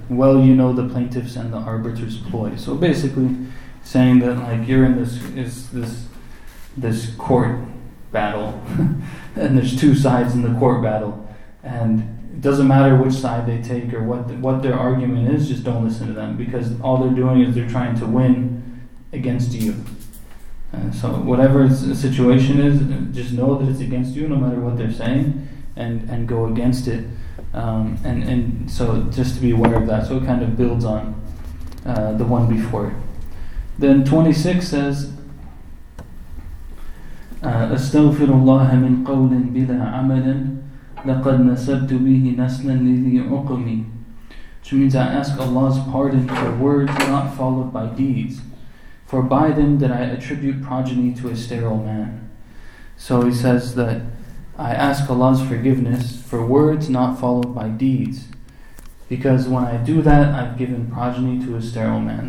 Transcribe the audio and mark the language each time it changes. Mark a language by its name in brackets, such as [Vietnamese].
[English] Well, you know the plaintiff's and the arbiter's ploy. So basically saying that, like, you're in this court battle, and there's two sides in the court battle, and it doesn't matter which side they take or what their argument is, just don't listen to them, because all they're doing is they're trying to win against you. So whatever the situation is, just know that it's against you no matter what they're saying, and go against it. And so just to be aware of that, so it kind of builds on the one before. Then 26 says, [Arabic] أستغفر الله من قول بلا عمل لقد نسبت به نسلا لذي عقمي. [English] Which means, I ask Allah's pardon for words not followed by deeds, for by them that I attribute progeny to a sterile man. So he says that I ask Allah's forgiveness for words not followed by deeds, because when I do that, I've given progeny to a sterile man.